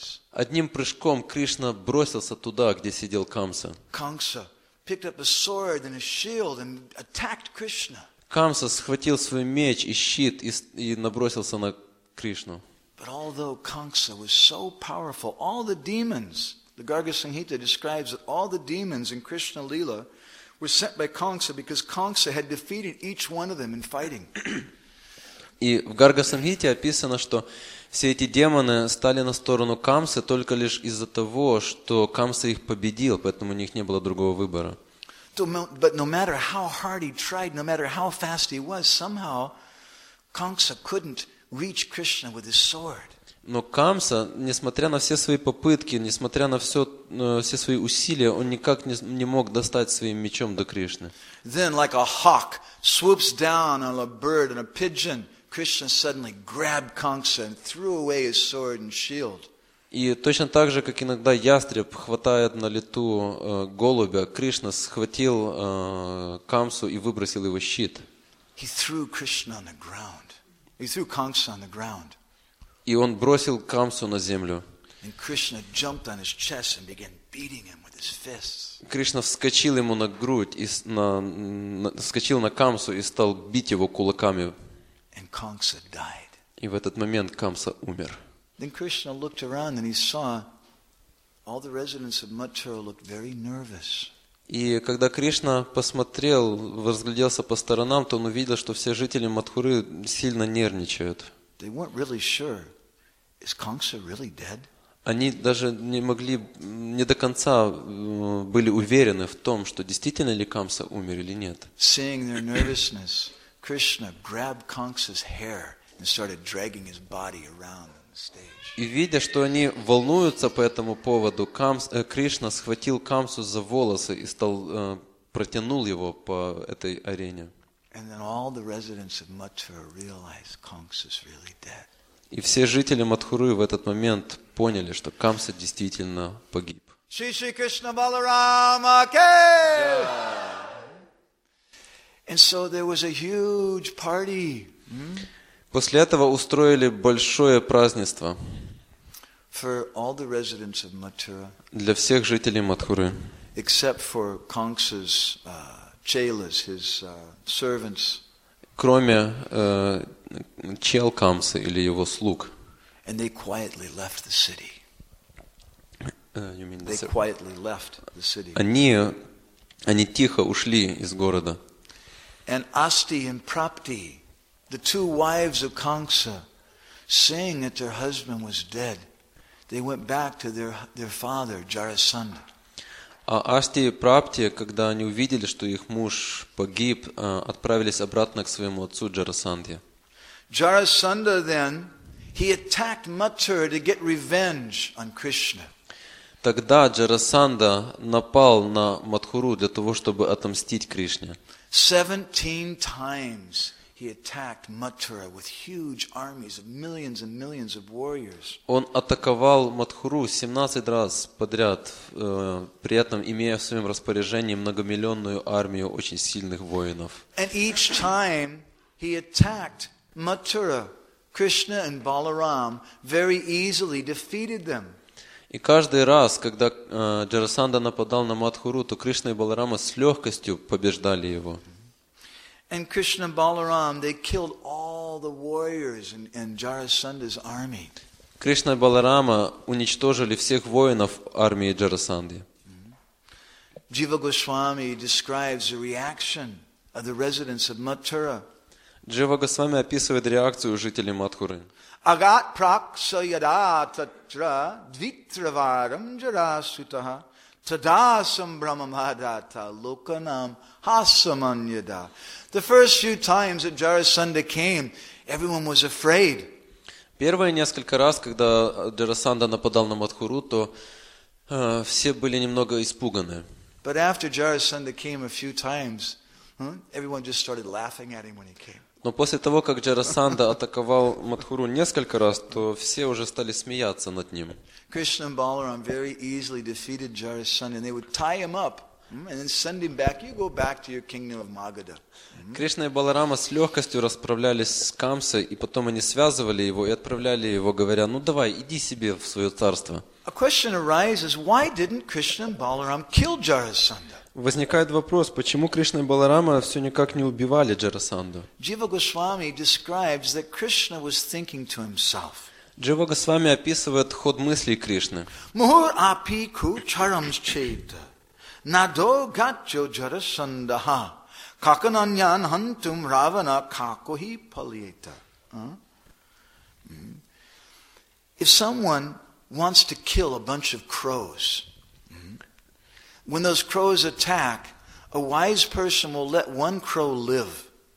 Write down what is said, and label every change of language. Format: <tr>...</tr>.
<ru>Одним прыжком Кришна бросился туда, где сидел Камса. Камса схватил свой меч и щит и набросился на Кришну.</ru> <en>But although Kamsa was so powerful, all the demons, the Garga Sanhita describes that all the demons in Krishna Lila were sent by Kamsa because Kamsa had defeated each one of them in fighting.</en> <ru>И в Гарга Санхите описано, что все эти демоны стали на сторону Камсы только лишь из-за того, что Камса их победил, поэтому у них не было другого выбора.</ru> <en>But no matter how hard he tried, no matter how fast he was, somehow Kamsa couldn't reach Krishna with his sword.</en> <ru>Но Камса, несмотря на все свои попытки, несмотря на все свои усилия, он никак не мог достать своим мечом до Кришны.</ru> <en>Then, like a hawk swoops down on a bird and a pigeon, Krishna suddenly grabbed Kamsa and threw away his sword and shield.</en> <ru>И точно так же, как иногда ястреб хватает на лету голубя, Кришна схватил Камсу и выбросил его щит.</ru> <en>He threw Krishna on the ground. He threw Kamsa on the ground.</en> <ru>И он бросил Камсу на землю.</ru> <en>And Krishna jumped on his chest and began beating him with his fists.</en> <ru>Кришна вскочил ему на грудь и вскочил на Камсу и стал бить его кулаками.</ru> <en>And Kamsa died.</en> <ru>И в этот момент Камса умер.</ru> <en>Then Krishna looked around and he saw all the residents of Mathura looked very nervous.</en> <ru>И когда Кришна посмотрел, разгляделся по сторонам, то он увидел, что все жители Матхуры сильно нервничают.</ru> <en>They weren't really sure. Is Kamsa really dead?</en> <ru>Они даже не могли, не до конца были уверены в том, что действительно ли Камса умер или нет.</ru> <en>Seeing their nervousness, Krishna grabbed Kamsa's hair and started dragging his body around on the stage.</en> <ru>И видя, что они волнуются по этому поводу, Кришна схватил Камсу за волосы и стал протянул его по этой арене.</ru> <en>And then all the residents of Mathura realized Kamsa is really dead.</en> <ru>И все жители Матхуры в этот момент поняли, что Камса действительно погиб. Шри Шри Кришна Баларама Кей!</ru> <en>And so there was a huge party.</en> <ru>После этого устроили большое празднество</ru> <en>for all the residents of Mathura,</en> <ru>для всех жителей Матхуры,</ru> <en>except for Kamsa's chelas, his servants.</en> <ru>Кроме чел Камсы или его слуг.</ru> <en>And they quietly left the city. You mean they quietly left the city.</en> <ru>Они тихо ушли из города.</ru> <en>And Asti and Prapti, the two wives of Kamsa, seeing that their husband was dead, they went back to their father, Jarasandha.</en> <ru>А Асти и Прапти, когда они увидели, что их муж погиб, отправились обратно к своему отцу Джарасандхе.</ru> <en>Jarasandha then, he attacked Mathura to get revenge on Krishna.</en> <ru>Тогда Джарасандха напал на Матхуру для того, чтобы отомстить Кришне.</ru> <en>17 times he attacked Mathura with huge armies of millions and millions of warriors.</en> <ru>Он атаковал Матхуру 17 раз подряд, при этом имея в своем распоряжении многомиллионную армию очень сильных воинов.</ru> <en>And each time he attacked Mathura, Krishna and Balaram very easily defeated them.</en> <ru>И каждый раз, когда Джарасандха нападал на Матхуру, то Кришна и Баларама с легкостью побеждали его.</ru> <en>And Krishna and Balaram, they killed all the warriors in Jarasandha's army.</en> <ru>Кришна и Баларама уничтожили всех воинов армии Джарасандхи.</ru> <en>Jiva Goswami describes the reaction of the residents of Mathura.</en> <ru>Джива Госвами описывает реакцию жителей Матхуры.</ru> <sa>Агат пракса яда татра двитраварам джарасутаха тадасам брамамадата локанам хасаманьяда.</sa> <en>The first few times that Jarasandha came, everyone was afraid.</en> <ru>Первые несколько раз, когда Джарасандха нападал на Матхуру, то все были немного испуганы.</ru> <en>But after Jarasandha came a few times, everyone just started laughing at him when he came.</en> <ru>Но после того, как Джарасандха атаковал Матхуру несколько раз, то все уже стали смеяться над ним.</ru> <en>Кришна и Баларам very easily defeated Jarasandha, and they would tie him up and then send him back. You go back to your kingdom of Magadha.</en> <ru>Кришна и Баларама с легкостью расправлялись с Камсой, и потом они связывали его и отправляли его, говоря: «Ну давай, иди себе в свое царство».</ru> <en>A question arises: why didn't Krishna and Balaram kill Jarasandha?</en> <ru>Возникает вопрос, почему Кришна и Баларама все никак не убивали Джарасандху?</ru> <en>Jiva Goswami describes that Krishna was thinking to himself.</en> <ru>Jiva Goswami описывает ход мыслей Кришны.</ru> <sa>Мур апи ку чарам чейта, надо гатчо Джарасандха, какананьян хантум равана какохи палиета.</sa> <en>If someone wants to kill a bunch of crows, when those crows attack, a wise person will let one crow live.</en>